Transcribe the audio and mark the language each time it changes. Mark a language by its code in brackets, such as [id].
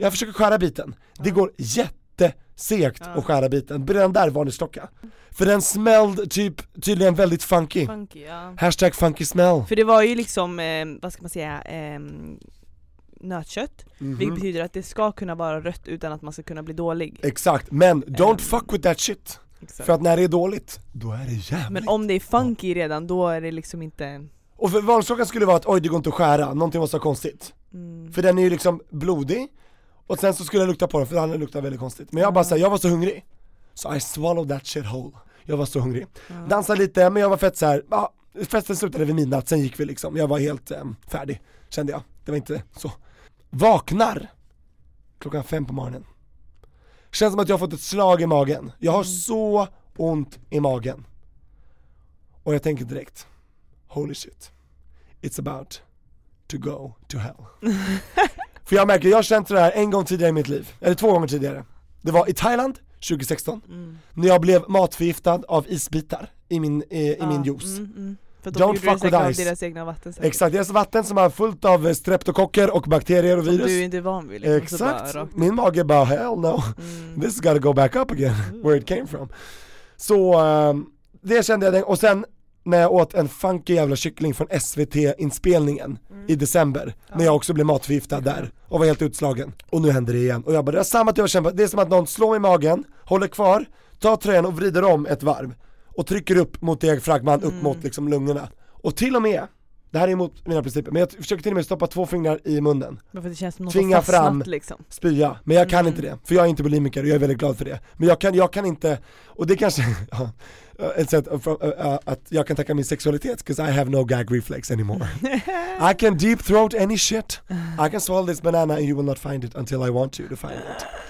[sv] Jag försöker skära biten. Ja. Det går jättesegt att skära biten. Den där var ni stocka. För den smälld typ tydligen väldigt funky. Funky, ja. [en] Hashtag funky smell. [sv] För det var ju liksom, vad ska man säga, nötkött. Mm-hmm. Vilket betyder att det ska kunna vara rött utan att man ska kunna bli dålig. Exakt, men [en] don't fuck with that shit. [sv] Exakt. För att när det är dåligt, då är det jävligt. Men om det är funky redan, då är det liksom inte... Och för valstockan skulle vara att, oj, det går inte att skära. Någonting var så konstigt. Mm. För den är ju liksom blodig. Och sen så skulle jag lukta på den, för den luktar väldigt konstigt. Men jag bara såhär, jag var så hungrig. Så [en] I swallowed that shit whole. [sv] Jag var så hungrig. Mm. Dansade lite, men jag var fett såhär. Ja, festen slutade vid midnatt, sen gick vi liksom. Jag var helt färdig, kände jag. Det var inte så. Vaknar 5 på morgonen. känns som att jag har fått ett slag i magen. Jag har så ont i magen. Och jag tänker direkt, [en] holy shit, it's about to go to hell. [sv] För jag märker, jag har känt det här en gång tidigare i mitt liv. Eller två gånger tidigare. Det var i Thailand 2016. Mm. När jag blev matförgiftad av isbitar i min juice. För de gjorde det säkert av deras egna vatten. Säkert. Exakt, deras vatten som är fullt av streptokocker och bakterier och som virus. Du är inte van vid. Liksom. Exakt, bara, min mage bara, [en] hell no. [sv] Mm. [en] This gotta go back up again, where it came from. [sv] Så det kände jag. Och sen när jag åt en funky jävla kyckling från SVT-inspelningen i december. Ja. När jag också blev matförgiftad där och var helt utslagen. Och nu händer det igen. Och jag bara, det är samma att jag kämpar. Det är som att någon slår mig i magen, håller kvar, tar tröjan och vrider om ett varv. Och trycker upp mot diafragman, upp mot liksom lungorna. Och till och med, det här är emot mina principer, men jag försöker till och med stoppa två fingrar i munnen. Men för det känns som något fastnat fram, liksom. Spya, men jag kan inte det. För jag är inte bulimiker och jag är väldigt glad för det. Men jag kan inte, och det kanske ett sätt att jag kan tacka min sexualitet, [en] because I have no gag reflex anymore. I can deep throat any shit. I can swallow this banana and you will not find it until I want you to find it.